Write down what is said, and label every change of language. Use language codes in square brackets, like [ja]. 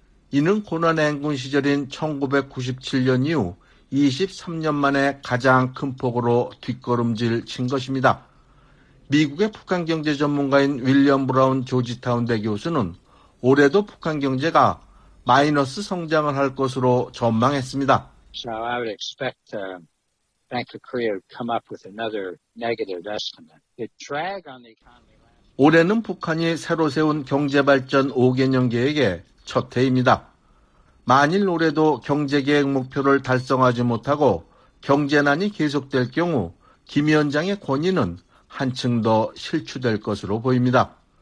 [ko] 이는 고난행군 시절인 1997년 이후 23년 만에 가장 큰 폭으로 뒷걸음질 친 것입니다. 미국의 북한 경제 전문가인 윌리엄 브라운 조지타운 대 교수는 올해도 북한 경제가 마이너스 성장을 할 것으로 전망했습니다. [en] So I would expect Bank of Korea to come up with another negative estimate. The drag on the economy. [ko] 올해는 북한이 새로 세운 경제발전 5개년 계획의 첫 해입니다. 만일 올해도 경제계획 목표를 달성하지 못하고 경제난이 계속될 경우 김 위원장의 권위는 한층 더 실추될 것으로 보입니다.